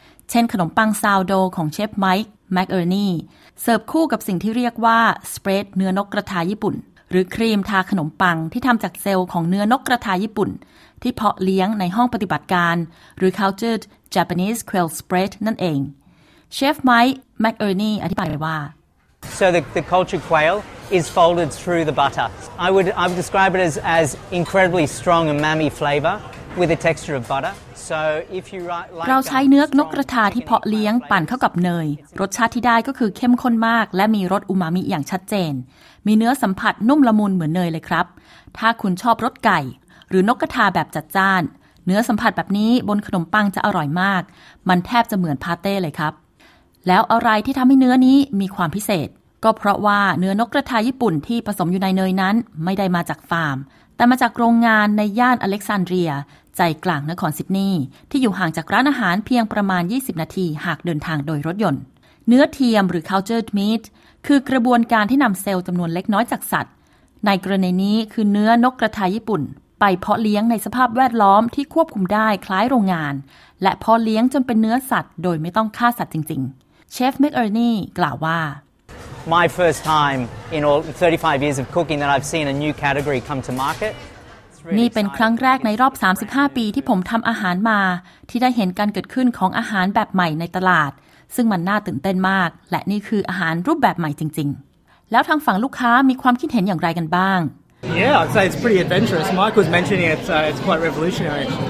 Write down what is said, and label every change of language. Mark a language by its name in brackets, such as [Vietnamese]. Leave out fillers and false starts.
[Thai] เช่นขนมปังซาวโดของเชฟไมค์แมคเอร์นีย์เสิร์ฟคู่กับสิ่งที่เรียกว่าสเปรดเนื้อนกกระทาญี่ปุ่นหรือครีมทาขนมปังที่ทำจากเซลล์ของเนื้อนกกระทาญี่ปุ่นที่เพาะเลี้ยงในห้องปฏิบัติการหรือ culturedJapanese quail spread นั่นเอง Chef Mike McErnie อธิบายว่า [English] So the cultured quail is folded through the butter. I would describe it as incredibly strong umami flavor with a texture of butter. So if you like [Thai] เราใช้เนื้อนกกระทาที่เพาะเลี้ยงปั่นเข้ากับเนยรสชาติที่ได้ก็คือเข้มข้นมากและมีรสอูมามิอย่างชัดเจนมีเนื้อสัมผัสนุ่มละมุนเหมือนเนยเลยครับถ้าคุณชอบรสไก่หรือนกกระทาแบบจัดจ้านเนื้อสัมผัสแบบนี้บนขนมปังจะอร่อยมากมันแทบจะเหมือนพาเต้เลยครับ แล้วอะไรที่ทำให้เนื้อนี้มีความพิเศษก็เพราะว่าเนื้อนกกระทาญี่ปุ่นที่ผสมอยู่ในเนยนั้นไม่ได้มาจากฟาร์มแต่มาจากโรงงานในย่านอเล็กซานเดรียใจกลางนครซิดนีย์ที่อยู่ห่างจากร้านอาหารเพียงประมาณ20นาทีหากเดินทางโดยรถยนต์เนื้อเทียมหรือ cultured meat คือกระบวนการที่นำเซลล์จำนวนเล็กน้อยจากสัตว์ในกรณีนี้คือเนื้อนกกระทาญี่ปุ่น ไปเพาะเลี้ยงในสภาพแวดล้อมที่ควบคุมได้คล้ายโรงงานและเพาะเลี้ยงจนเป็นเนื้อสัตว์โดยไม่ต้องฆ่าสัตว์จริงๆเชฟแมคเอร์นี่กล่าวว่า [English] My first time in all 35 years of cooking that I've seen a new category come to market [Thai] นี่เป็นครั้งแรกในรอบ35ปีที่ผมทำอาหารมาที่ได้เห็นการเกิดขึ้นของอาหารแบบใหม่ในตลาดซึ่งมันน่าตื่นเต้นมากและนี่คืออาหารรูปแบบใหม่จริงๆแล้วทางฝั่งลูกค้ามีความคิดเห็นอย่างไรกันบ้าง [English] Yeah, I'd say it's pretty adventurous. Mike was mentioning it, it's quite revolutionary.